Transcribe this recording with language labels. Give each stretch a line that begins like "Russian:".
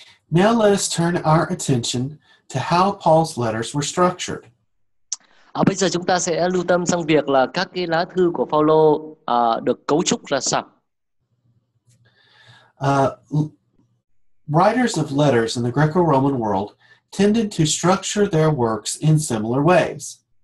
English: Now let us turn our attention to how Paul's letters were structured.
Vietnamese: Bây giờ chúng ta sẽ lưu tâm sang việc là các cái lá thư của Paulo được cấu trúc là sao.
English: Writers of letters in the Greco-Roman world tended to structure their works in similar ways.